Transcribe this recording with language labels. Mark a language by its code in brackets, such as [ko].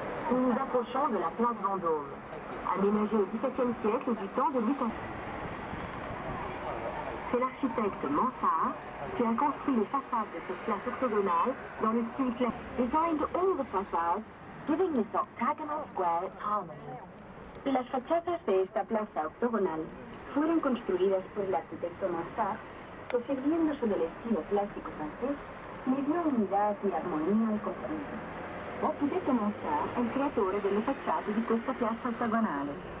[fr] Nous approchons de la place Vendôme, aménagée au XVIIe siècle du temps de Louis. C'est l'architecte Mansart qui a construit les façades de cette place octogonale dans le style classique. [en] Designed all the façades, giving this octagonal square its harmony. [es] Las fachadas de esta plaza octogonal fueron construidas por el arquitecto Mansart, que sirviéndose del estilo clásico francés, le dio unidad y armonía al conjunto. [it] L'architecte Mansart è il creatore delle facciate di questa piazza ottagonale.